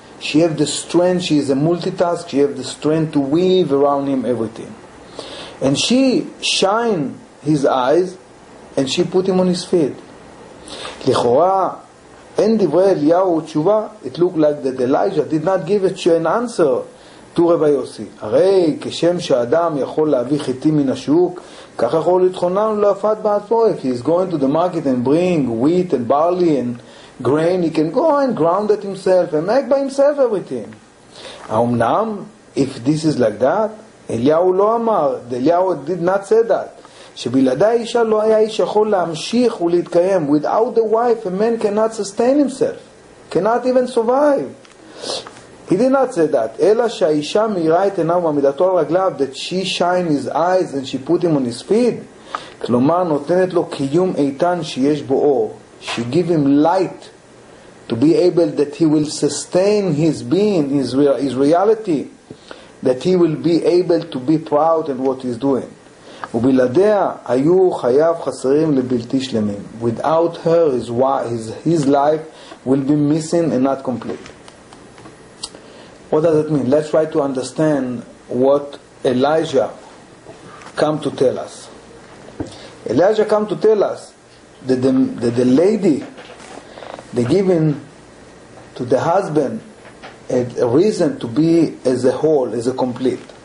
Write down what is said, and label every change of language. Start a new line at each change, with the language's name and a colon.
English: She has the strength, she is a multitask, she has the strength to weave around him everything. And she shine his eyes and she put him on his feet.
Hebrew: לכאורה, אין דברי אליהו תשובה,
English: it looked like that Elijah did not give an answer to רבי יוסי.
Hebrew: הרי כשם שאדם יכול להביא חיטים מן השוק, כך יכול לתכונן להפת בעצמו.
English: If he is going to the market and bring wheat and barley and grain, he can go and ground it himself and make by himself everything. Aumnam, if this is like that,
Hebrew: Eliyahu lo amar,
English: Eliyahu did not say that.
Hebrew: שבלעדי האישה לא היה איש יכול להמשיך ולהתקיים.
English: Without the wife, a man cannot sustain himself. Cannot even survive. He did not say that.
Hebrew: אלא שהאישה מאירה את עיניו ומעמידתו על רגליו,
English: that she shine his eyes and she put him on his feet.
Hebrew: כלומר, נותנת לו קיום איתן שיש בו אור.
English: She give him light to be able that he will sustain his being, his reality. That he will be able to be proud in what he's doing.
Hebrew: ובלעדיה היו חייו חסרים לבלתי שלמים.
English: Without her, his life will be missing and not complete. What does it mean? Let's try to understand what Elijah come to tell us. Elijah come to tell us that the lady they given to the husband a reason to be as a whole, as a complete.